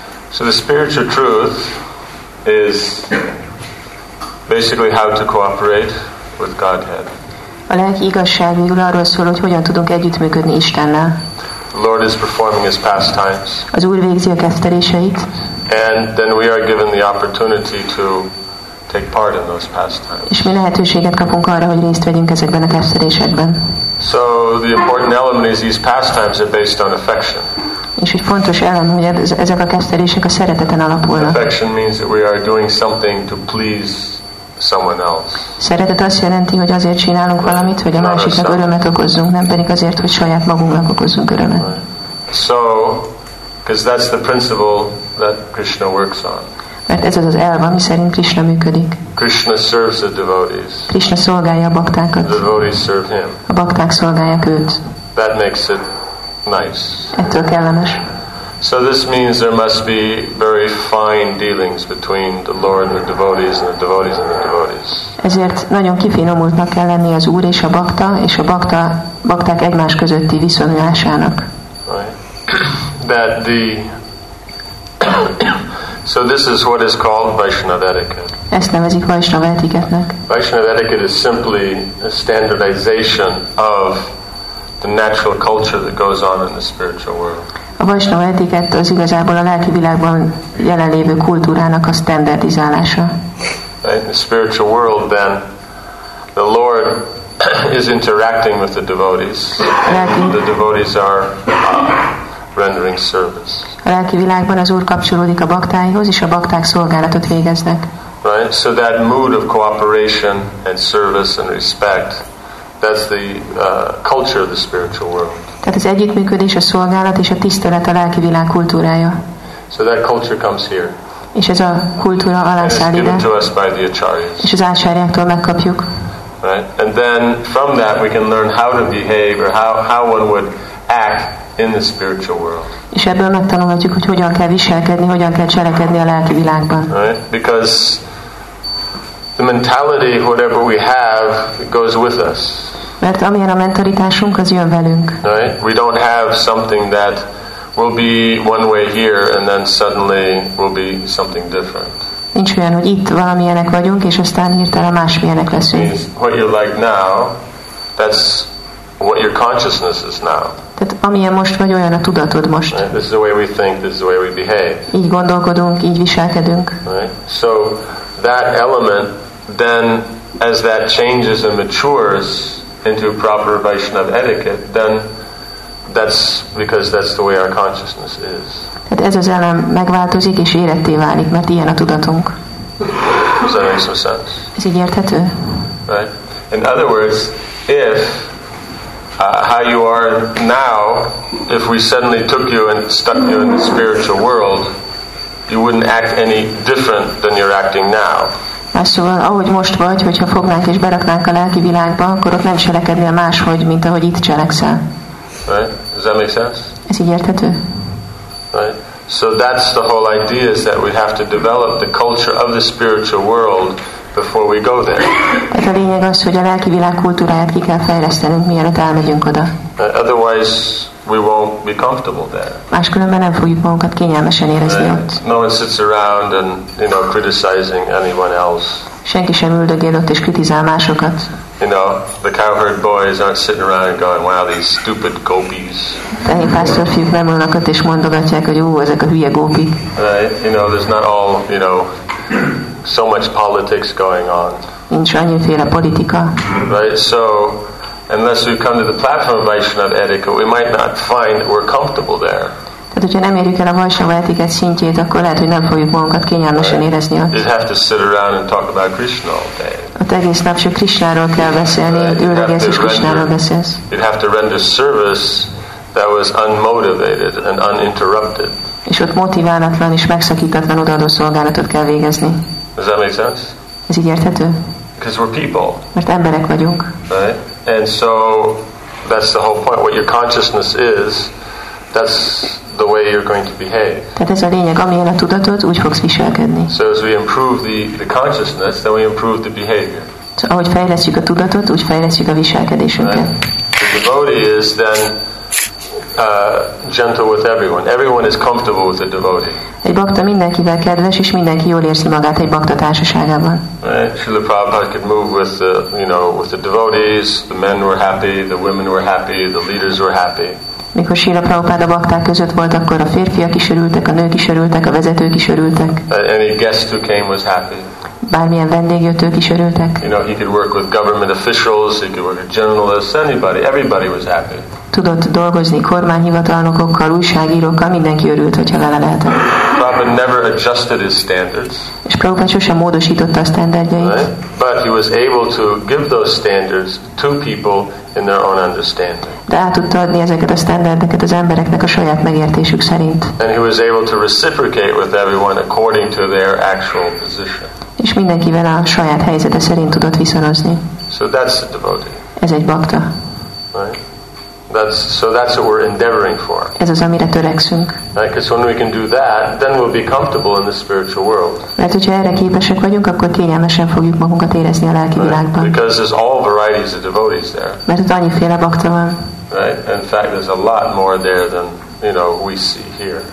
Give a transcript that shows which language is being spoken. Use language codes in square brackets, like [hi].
[en] So the spiritual truth is basically how to cooperate with Godhead. [hu] A lelki igazság végül arról szól, hogy hogyan tudunk együttműködni Istennel. [en] The Lord is performing his pastimes. [hu] Az Úr végzi a keztetéseit. [en] And then we are given the opportunity to take part in those pastimes. [hu] És mi lehetőséget kapunk arra, hogy részt vegyünk ezekben a keztetésekben. [en] So the important element is these pastimes are based on affection. [hu] És egy fontos elem, hogy ezek a keztetések a szereteten alapulnak. [en] Affection means that we are doing something to please someone else. [hu] Szeretet azt jelenti, hogy azért csinálunk valamit, hogy a másiknak örömet okozzunk, nem pedig azért, hogy saját magunknak okozzunk örömet. [en] So, because that's the principle that Krishna works on. [hu] Mert ez az az elv, ami szerint Krishna működik. [en] Krishna serves the devotees. [hu] Krishna szolgálja a baktákat. [en] The devotees serve him. [hu] A bakták szolgálják őt. [en] That makes it nice. [hu] Ettől kellemes. [en] So this means there must be very fine dealings between the Lord and the devotees and the devotees and the devotees. [hu] Ezért nagyon kifinomultnak kell lenni az Úr és a bakta, bakták egymás közötti viszonyulásának. [en] Right. That the So this is what is called Vaishnava etiquette. [hu] Ezt nevezik Vaishnava etiketnek. [en] Vaishnava etiquette is simply a standardization of the natural culture that goes on in the spiritual world. [hu] A Vaishnava etikett az igazából a lelki világban jelenlévő kultúrának a standardizálása. [en] In the spiritual world, then, the Lord is interacting with the devotees, and the devotees are rendering service. [hu] A lelki világban az Úr kapcsolódik a baktáihoz, és a bakták szolgálatot végeznek. [en] Right, so that mood of cooperation and service and respect, that's the culture of the spiritual world. [hu] Tehát az együttműködés, a szolgálat és a tisztelet a lelki világ kultúrája. [en] So that culture comes here. [hu] És ez a kultúra alá száll ide. [en] And it's given to us by the acharyas. [hu] És az ácsáriáktól megkapjuk. [en] Right, and then from that we can learn how to behave or how one would act in the spiritual world. [hu] És ebből megtanulhatjuk, hogy hogyan kell viselkedni, hogyan kell cselekedni a lelki világban. [en] Right? Because the mentality, whatever we have, it goes with us. [hu] Mert amilyen a mentalitásunk, az jön velünk. [en] Right? We don't have something that will be one way here and then suddenly will be something different. [hu] Nincs olyan, hogy itt valamilyenek vagyunk, és aztán hirtelen másmilyenek leszünk. [en] What you're like now, that's what your consciousness is now. [hu] Tehát amilyen most vagy, olyan a tudatod most. [en] Right? This is the way we think, this is the way we behave. [hu] Így gondolkodunk, így viselkedünk. [en] Right? So that element, then as that changes and matures into a proper Vaishnava etiquette, then that's because that's the way our consciousness is. [hu] Tehát ez az elem megváltozik és éretté válik, mert ilyen a tudatunk. [en] Does that make some sense? [hu] Ez így érthető? [en] Right. In other words, if how you are now, if we suddenly took you and stuck you in the spiritual world, you wouldn't act any different than you're acting now. [hu] Más szóval, ahogy most vagy, hogyha fognánk és beraknánk a lelki világba, akkor ott nem cselekednél máshogy, mint ahogy itt cselekszel. [en] Right? Does that make sense? [hu] Ez így érthető? [en] Right? So that's the whole idea, is that we have to develop the culture of the spiritual world before we go there. [hu] Tehát a lényeg az, hogy a lelki világ kultúráját ki kell fejlesztenünk, mielőtt elmegyünk oda. [en] Otherwise we won't be comfortable there. [hu] Máskülönben nem fogjuk magunkat kényelmesen érezni ott. [en] No one sits around and, you know, criticizing anyone else. [hu] Senki sem üldögél ott és kritizál másokat. [en] You know, the cowherd boys aren't sitting around and going, wow, these stupid gopis. [hu] Tehén pásztor fiúk nem ülnek ott és mondogatják, hogy ó, ezek a hülye gópik. [en] You know, there's not all, you know, so much politics going on. [hu] Nincs annyiféle politika. [en] Right, so unless we come to the platform of Vaishnava etiquette, we might not find that we're comfortable there. [hu] Tehát, hogyha nem érjük el a Vaishnava etiquette szintjét, akkor lehet, hogy nem fogjuk magunkat kényelmesen érezni ott. [en] You'd have to sit around and talk about Krishna all day. [hu] Ott egész nap csak Krishnáról kell beszélni, üldögélsz és Krishnáról beszélsz. [en] You'd have to render service that was unmotivated and uninterrupted. [hu] És ott motiválatlan és megszakítatlan odaadó szolgálatot kell végezni. [en] Does that make sense? [hu] Ez így érthető? [en] Because we're people. [hu] Mert emberek vagyunk. [en] Right? And so that's the whole point. What your consciousness is, that's the way you're going to behave. [hu] Tehát ez a lényeg, amilyen a tudatod, úgy fogsz viselkedni. [en] So as we improve the consciousness, then we improve the behavior. [hu] So, ahogy fejlesztjük a tudatot, úgy fejlesztjük a viselkedésünket. [en] Right? The devotee is then gentle with everyone. Everyone is comfortable with a devotee. [hu] Egy bakta mindenkivel kedves, és mindenki jól érzi magát egy bakta társaságában. [en] Srila Prabhupada could move with the, you know, with the devotees. The men were happy, the women were happy, the leaders were happy. [hu] Mikor Srila Prabhupada bakták között volt, akkor a férfiak is örültek, a nők is örültek, a vezetők is örültek. [en] Any guest who came was happy. [hu] Bármilyen vendég jött, ők is örültek. [en] You know, he could work with government officials, he could work with journalists, anybody, everybody was happy. [hu] Tudott dolgozni kormányhivatalnokokkal, újságírókkal, mindenki örült, hogyha vele lehetett. [en] Prabhupada never adjusted his standards. [hu] És Prabhupada sosem módosította a standardjait. [en] Right? But he was able to give those standards to people in their own understanding. [hu] De át tudta adni ezeket a standardeket az embereknek a saját megértésük szerint. [en] And he was able to reciprocate with everyone according to their actual position. [hu] És mindenkivel a saját helyzete szerint tudott viszonozni. [en] So that's the devotee. [hu] Ez egy bakta. [en] Right? So that's what we're endeavoring for. [hu] Ez az, amire törekszünk. [en] Right? Because when we can do that, then we'll be comfortable in the spiritual world. [hu] Mert hogyha erre képesek vagyunk, akkor kényelmesen fogjuk magunkat érezni a lelki világban. [en] Because there's all varieties of devotees there. [hu] Mert ott annyiféle bakta van. [en] Right? In fact, there's a lot more there than, you know, we see here.